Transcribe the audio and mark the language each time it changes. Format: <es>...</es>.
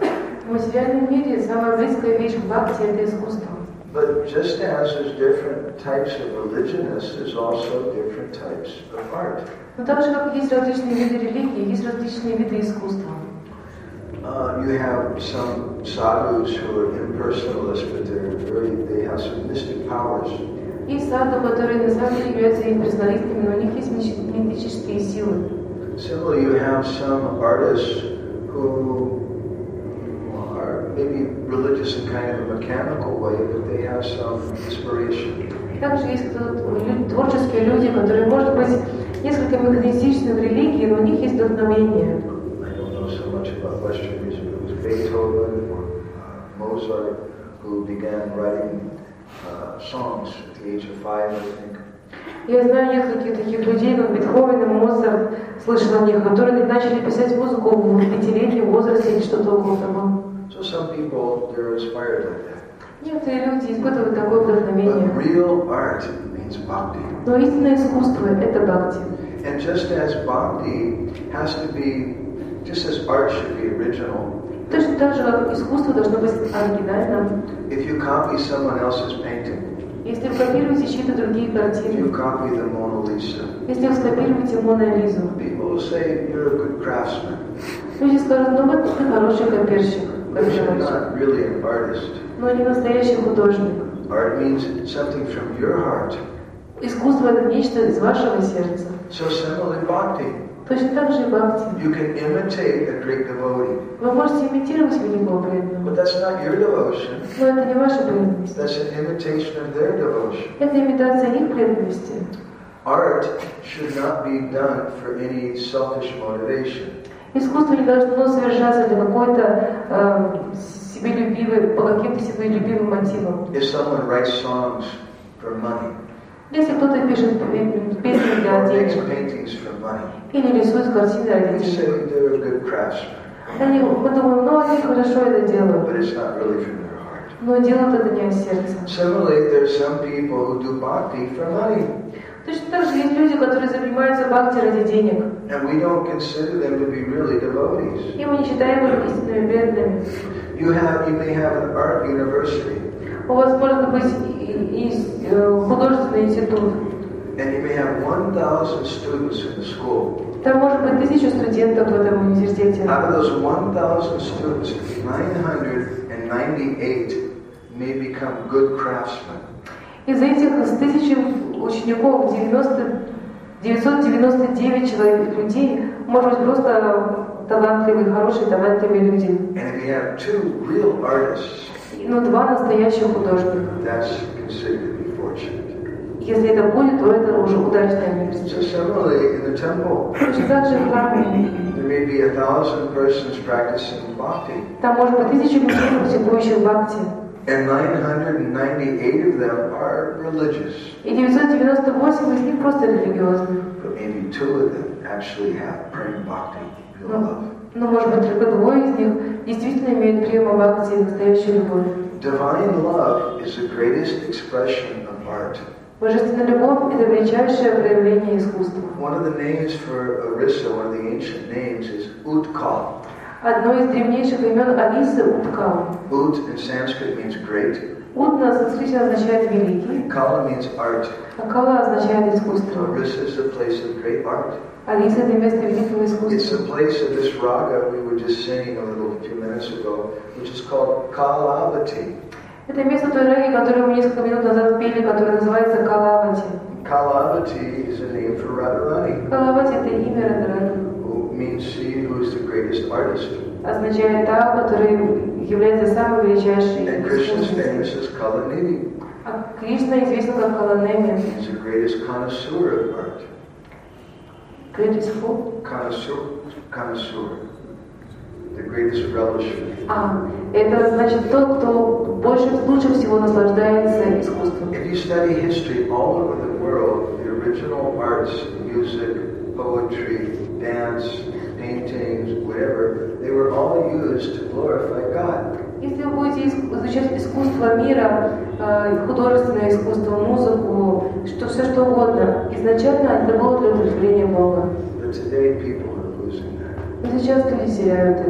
<en>But just as there's different types of religionists, there's also different types of art. You have some sadhus who are impersonalists, but they have some mystic powers.</en> <ru>И саду, которые на самом деле являются имперсоналистами, но у них есть мистические силы.</ru> <en>Similarly, you have some artists who are maybe religious in kind of a mechanical way, but they have some inspiration.</en> <ru>Также есть творческие люди, которые, может быть, несколько механистичны в религии, но у них есть вдохновение.</ru> <en>I don't know so much about Western music. It was Beethoven or Mozart who began writing songs at the age of 5, I think.</en> <ru>Я знаю нескольких таких людей, как Бетховен и Моцарт, слышал о них, которые начали писать музыку в 5-летнем возрасте или что-то около того.</ru> <en>So some people, they're inspired like that.</en> <ru>Некоторые люди испытывают такое вдохновение.</ru> <en>But real art, I mean, is bhakti.</en> <ru>Но истинное искусство — это бхакти.</ru> <en>And just as bhakti has to be, just as art should be original.</en> <ru>Точно так же, как искусство должно быть оригинальным.</ru> <en>If you copy someone else's painting.</en> <ru>Если вы копируете чьи-то другие картины.</ru> <en>You copy the Mona Lisa.</en> <ru>Если вы скопируете Мона Лизу.</ru> <en>People will say you're a good craftsman.</en> <ru>Люди скажут: «Ну вот ты хороший коперщик».</ru> <en>Really an artist.</en> <ru>Но не настоящий художник.</ru> <en>Art means something from your heart.</en> <ru>Искусство — это нечто из вашего сердца.</ru> <en>So similarly, bhakti.</en> <ru>Точно так же и бхакти.</ru> <en>You can imitate a great devotee.</en> <ru>Вы можете имитировать великого преданного.</ru> <en>But that's not your devotion.</en> <ru>Но это не ваша преданность.</ru> <en>That's an imitation of their devotion.</en> <ru>Это имитация их преданности.</ru> <en>Art should not be done for any selfish motivation.</en> <ru>Искусство не должно совершаться для какой-то себелюбивой, по каким-то себелюбивым мотивам.</ru> <en>If someone writes songs for money.</en> <ru>Если кто-то пишет песни для денег или рисует картины для денег,</ru> <en>say they're a good craftsman.</en> <ru>Они, мы думаем, ну они хорошо это делают.</ru> <en>But it's not really from their heart.</en> <ru>Но делают это не от сердца.</ru> <en>Similarly, there are some people who do bhakti for money.</en> <ru>Точно так же есть люди, которые занимаются бхакти ради денег.</ru> <en>And we don't consider them to be really devotees.</en> <ru>И мы не считаем их истинными преданными.</ru> <en>You may have an art university.</en> <ru>У вас может быть художественный институт.</ru> <en>And you may have 1,000 students in the school.</en> <ru>Там может быть 1,000 студентов в этом университете.</ru> <en>Out of those 1,000 students, 998 may become good craftsmen.</en> <ru>Из этих 1,000 учеников 999 человек людей может быть просто талантливые, хорошие, талантливые люди.</ru> <en>And if you have two real artists,</en> <ru>но два настоящих художника.</ru> <en>That's considered to be fortunate.</en> <ru>Если это будет, то это уже удачное место. Точно так же в храме.</ru> <en>There may be 1,000 persons practicing bhakti.</en> <ru>Там может быть 1,000 людей, практикующих бхакти.</ru> <en>And 998 of them are religious.</en> <ru>И 998 из них просто религиозные.</ru> <en>But maybe two of them actually have prema bhakti, pure love.</en> <ru>Но может быть только двое из них действительно имеют prema bhakti, настоящую любовь.</ru> <en>Divine love is the greatest expression of art.</en> <ru>Божественная любовь — это величайшее проявление искусства.</ru> <en>One of the names for Orissa, one of the ancient names, is Utkal.</en> <ru>Одно из древнейших имен Алисы — Уткал.</ru> <en>Ут in Sanskrit means great.</en> <ru>Ут на санскрите означает великий.</ru> <en>Кала means art.</en> <ru>А Кала означает искусство.</ru> <en>Orissa is a place of great art.</en> <ru>Алиса — это место великого искусства.</ru> <en>It's a place of this raga we were just singing a little few minutes ago, which is called Kalavati.</en> <ru>Это место той раги, которую мы несколько минут назад пели, которая называется Kalavati.</ru> <en>Kalavati is a name for Radharani.</en> <ru>Kalavati — это имя Радхарани.</ru> <en>Means she who is the greatest artist.</en> <ru>Означает та, которая является самой величайшей.</ru> <en>And Krishna's famous as Kalanidhi.</en> <ru>А Кришна известна как Каланеми.</ru> <en>She's the greatest connoisseur of art. Greatest who? Connoisseur. The greatest relisher.</en> <ru>А это значит тот, кто больше, лучше всего наслаждается искусством.</ru> <en>If you study history all over the world, the original arts, music, poetry, dance, paintings, whatever, they were all used to glorify God.</en> <ru>Если вы будете изучать искусство мира, художественное искусство, музыку, что все что угодно, изначально это было для удовлетворения Бога.</ru> <en>But today people are losing that.</en> <ru>Но сейчас люди теряют это.</ru>